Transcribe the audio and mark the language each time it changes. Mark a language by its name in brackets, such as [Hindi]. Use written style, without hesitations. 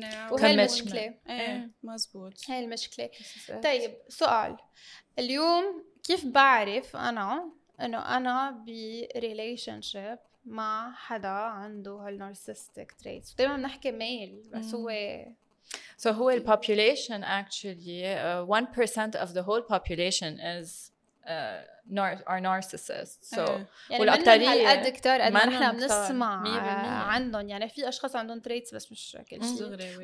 [Arabic] وهالمشكلة. مزبوط هالمشكلة. طيب سؤال اليوم، كيف بعرف أنا أنه أنا بrelationship مع حدا عنده هالnarcissistic traits؟ دائما بنحكي male بس هو [English] so هو the population actually 1% of the whole population is are narcissists. So [Arabic] والأكثرية يعني قد كتار قد ما نحن بنسمع عندهم، يعني في أشخاص عندهم traits بس مش كل شيء.